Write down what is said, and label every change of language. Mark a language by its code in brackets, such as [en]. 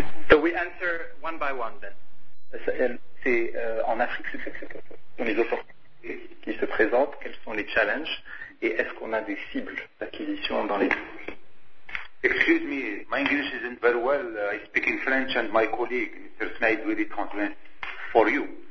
[en] So we answer one by one then. [fr] C'est en Afrique, c'est les opportunités qui se présentent, quels sont les challenges, et est-ce qu'on a des cibles d'acquisition dans les... [en] Excuse me, my English isn't very well. I speak in French and my colleague, Mr. Snaid, will translate for you.